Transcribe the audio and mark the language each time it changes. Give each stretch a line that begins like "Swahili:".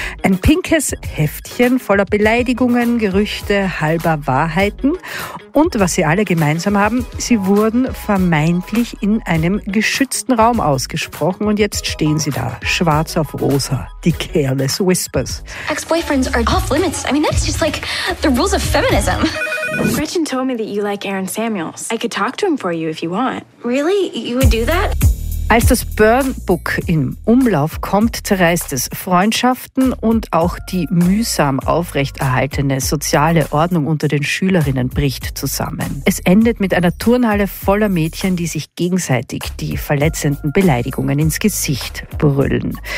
German: Ein pinkes Heftchen voller Beleidigungen, Gerüchte, halber Wahrheiten. Und was sie alle gemeinsam haben, sie wurden vermeintlich in einem geschützten Raum ausgesprochen und jetzt stehen sie da, schwarz auf rosa, die Careless Whispers.
English: Ex-boyfriends are off limits. I mean, that's just like the rules of feminism. Gretchen told me that you like Aaron Samuels. I could talk to him for you if you want. Really? You would do that?
German: Als das Burn Book im Umlauf kommt, zerreißt es Freundschaften und auch die mühsam aufrechterhaltene soziale Ordnung unter den Schülerinnen bricht zusammen. Es endet mit einer Turnhalle voller Mädchen, die sich gegenseitig die verletzenden Beleidigungen ins Gesicht brüllen.